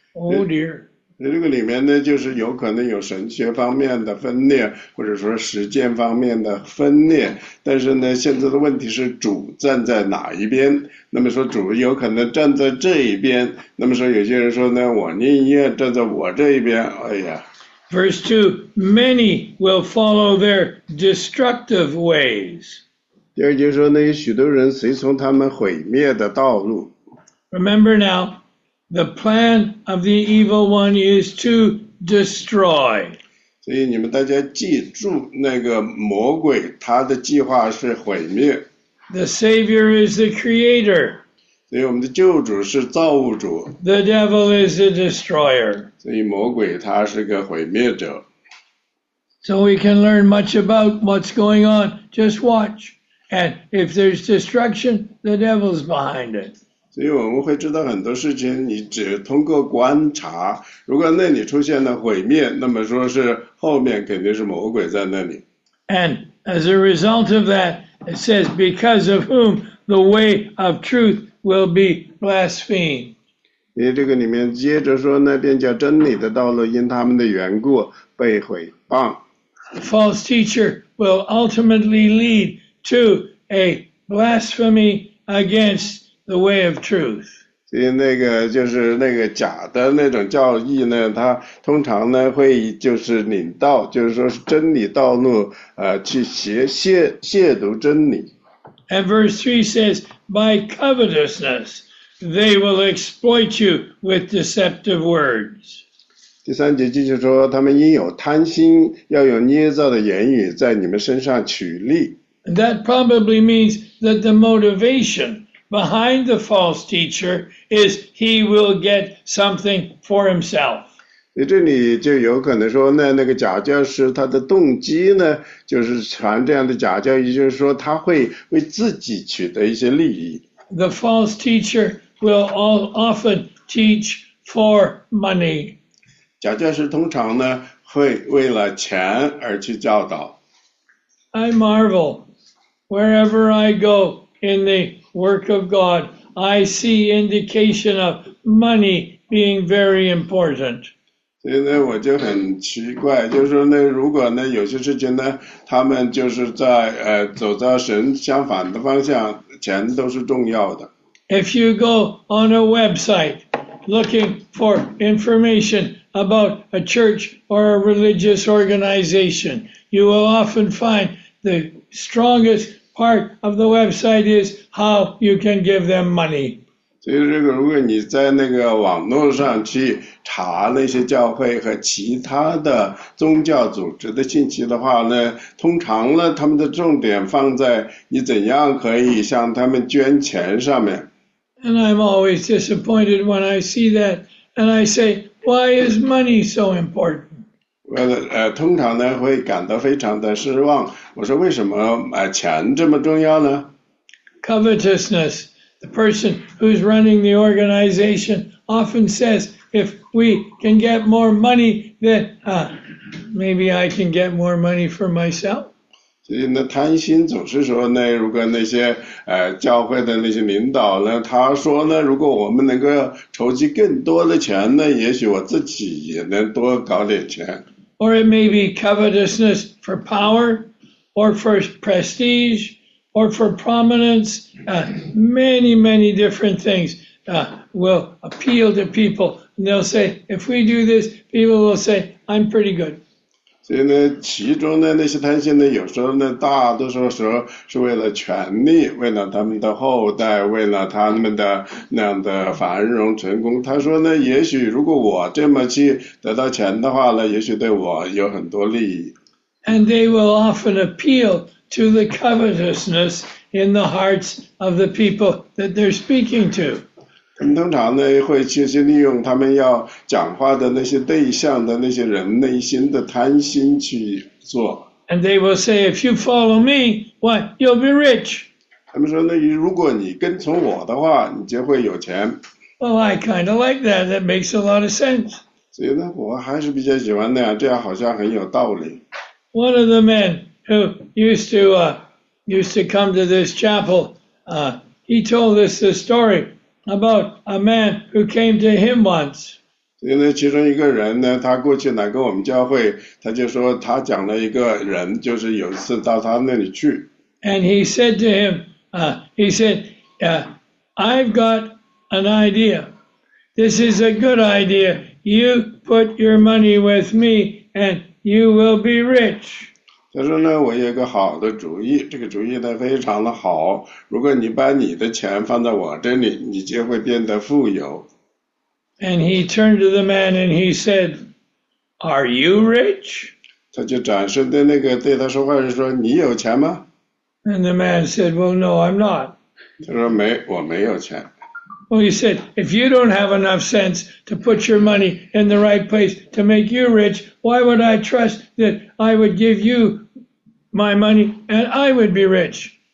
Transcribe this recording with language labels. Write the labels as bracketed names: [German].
[English] Oh dear. [Chinese] 这个里面呢，就是有可能有神学方面的分裂，或者说实践方面的分裂。但是呢，现在的问题是主站在哪一边？那么说主有可能站在这一边。那么说有些人说呢，我宁愿站在我这一边。哎呀。 [English] Verse 2, many will follow their destructive ways. [Chinese] 第二节说那些许多人随从他们毁灭的道路。 [English] Remember now, the plan of the evil one is to destroy. [Chinese] 所以你们大家记住，那个魔鬼他的计划是毁灭。 [English] The Savior is the Creator. [Chinese] 所以我们的救主是造物主。 [English] The devil is the destroyer. [Chinese] 所以魔鬼他是个毁灭者。 [English] So we can learn much about what's going on. Just watch. And if there's destruction, the devil's behind it. [Chinese] 所以我们会知道很多事情，你只通过观察。如果那里出现了毁灭，那么说是后面肯定是魔鬼在那里。 [English] And as a result of that, it says, because of whom the way of truth will be blasphemed. [Chinese] 因为这个里面接着说那便叫真理的道路因他们的缘故被毁谤。 [English] False teacher will ultimately lead to a blasphemy against the way of truth. [Chinese] 所以那个就是那个假的那种教义呢它通常呢会就是领道就是说是真理道路去亵渎真理。 [English] And verse 3 says, by covetousness,They will exploit you with deceptive words. [Chinese] 第三节继续说，他们因有贪心，要用捏造的言语在你们身上取利。 [English] That probably means that the motivation behind the false teacher is he will get something for himself. [Chinese] 这里就有可能说那个假教师他的动机呢，就是传这样的假教义，就是说他会为自己取得一些利益。 [English] The false teacher will often teach for money. [Chinese] 假教师通常呢会为了钱而去教导。 [English] I marvel, wherever I go in the work of God, I see indication of money being very important. [Chinese] 所以呢，我就很奇怪，就是说呢，如果呢有些事情呢，他们就是在走在神相反的方向。钱都是重要的。 [English] If you go on a website looking for information about a church or a religious organization, you will often find the strongest part of the website is how you can give them money. [Chinese] 所以这个如果你在那个网络上去查那些教会和其他的宗教组织的信息的话呢，通常呢他们的重点放在你怎样可以向他们捐钱上面。 [English] And I'm always disappointed when I see that, and I say, why is money so important? [Chinese] 通常呢会感到非常的失望。我说为什么钱这么重要呢 [English] ？Covetousness, the person who's running the organization often says. If we can get more money, then maybe I can get more money for myself. [Chinese] 所以呢，贪心总是说呢，如果那些教会的那些领导呢，他说呢，如果我们能够筹集更多的钱呢，也许我自己也能多搞点钱。 [English] Or it may be covetousness for power, or for prestige, or for prominence. Many, many different things will appeal to people. And they'll say, if we do this, people will say, I'm pretty good. [Chinese] 所以呢，其中呢，那些贪心呢，有时候呢，大多数时候是为了权力，为了他们的后代，为了他们的那样的繁荣成功。他说呢，也许如果我这么去得到钱的话呢，也许对我有很多利益。 [English] And they will often appeal to the covetousness in the hearts of the people that they're speaking to. [Chinese] 他们通常呢会去利用他们要讲话的那些对象的那些人内心的贪心去做。 [English] And they will say, if you follow me, why, you'll be rich. [Chinese] 他们说呢，如果你跟从我的话，你就会有钱。 [English] Well, I kind of like that. That makes a lot of sense. [Chinese] 所以呢，我还是比较喜欢那样，这样好像很有道理。 [English] One of the men who used to come to this chapel, he told us this story. About a man who came to him once. [Chinese] 所以呢，其中一个人呢，他过去来跟我们教会，他就说他讲了一个人，就是有一次到他那里去。 [English] And he said to him, I've got an idea. This is a good idea. You put your money with me, and you will be rich. [Chinese] 他说呢，我有个好的主意，这个主意呢非常的好。如果你把你的钱放在我这里，你就会变得富有。 [English] And he turned to the man and he said, "Are you rich?" [Chinese] 他就转身对那个对他说话人说：“你有钱吗 [English] And the man said, "Well, no, I'm not." [Chinese] 他说：“没，我没有钱。 [English] Well, he said, "If you don't have enough sense to put your money in the right place to make you rich, why would I trust that I would give you my money and I would be rich?"